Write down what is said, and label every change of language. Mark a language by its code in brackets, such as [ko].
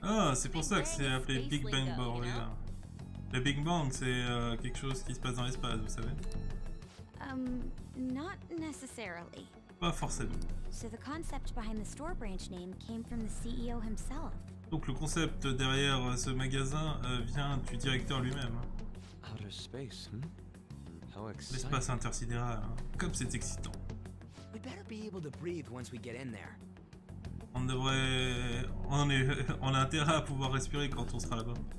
[fr] Ah, c'est pour ça que c'est appelé Big Bang Burger. [en] You know? [fr] Le Big Bang, c'est quelque chose qui se passe dans l'espace, vous savez. [en] Not necessarily. [fr] Pas forcément. [en] So the concept behind the store branch name came from the CEO himself. [fr] Donc le concept derrière ce magasin vient du directeur lui-même. [en] Outer space, hmm? How exciting. [fr] L'espace intersidéral, hein. Comme c'est excitant. [en] We better be able to breathe once we get in there. [fr] On devrait... On a intérêt à pouvoir respirer quand on sera là-bas.